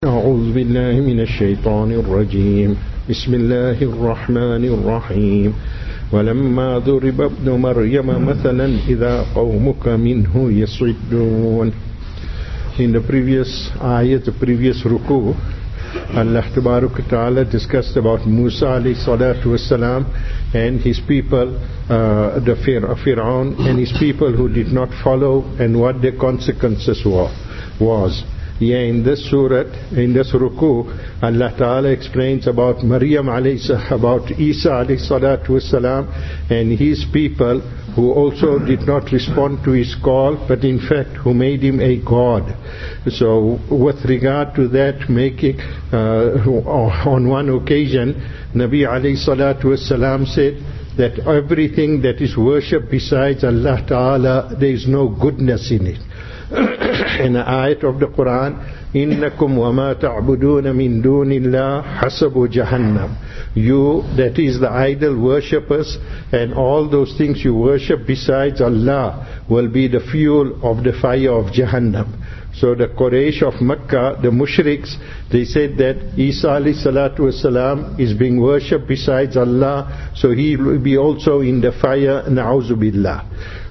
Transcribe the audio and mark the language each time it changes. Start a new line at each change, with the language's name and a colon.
Arabic: أعوذ بالله من الشيطان الرجيم. بسم الله الرحمن الرحيم. ولما ضرب ابن مريم مثلا إذا قومك منه يصدون.
English: In the previous ayah, the previous ruku, Allah Tabaraka Ta'ala discussed about Musa alayhi salatu wasalam and his people, Fir'aun and his people who did not follow, and what their consequences was. Yeah, in this surah, in this ruku, Allah Ta'ala explains about Maryam alayhi salam, about Isa alayhi salatu wasalam and his people who also did not respond to his call, but in fact who made him a god. So with regard to that, making on one occasion, Nabi alayhi salatu wasalam said that everything that is worshipped besides Allah Ta'ala, there is no goodness in it. In an ayat of the Quran,
Arabic: إِنَّكُمْ وَمَا تَعْبُدُونَ مِنْ دُونِ اللَّهِ حَسَبُ جَهَنَّمُ.
English: You, that is the idol worshippers, and all those things you worship besides Allah will be the fuel of the fire of Jahannam. So the Quraysh of Mecca, the Mushriks, they said that Isa alayhi salatu wasalam is being worshipped besides Allah, so he will be also in the fire, na'uzu billah.